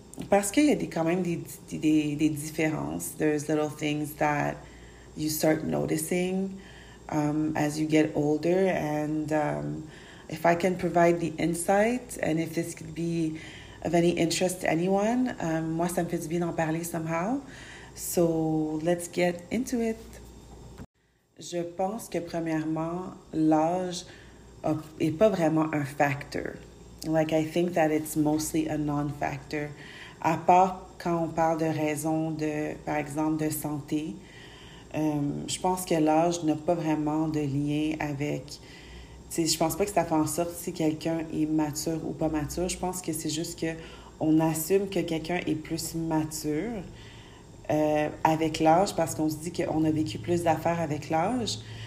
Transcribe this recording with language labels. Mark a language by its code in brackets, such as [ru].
[fr] Parce qu'il y a quand même des différences. [en] There's little things that you start noticing as you get older. And if I can provide the insight and if this could be of any interest to anyone, [fr] moi, ça me fait du bien d'en parler somehow. [en] So let's get into it. [fr] Je pense que premièrement, l'âge n'est pas vraiment un factor. [en] Like, I think that it's mostly a non-factor. [fr] À part quand on parle de raisons de, par exemple, de santé, je pense que l'âge n'a pas vraiment de lien avec... Je pense pas que ça fait en sorte si quelqu'un est mature ou pas mature. Je pense que c'est juste qu'on assume que quelqu'un est plus mature avec l'âge parce qu'on se dit qu'on a vécu plus d'affaires avec l'âge.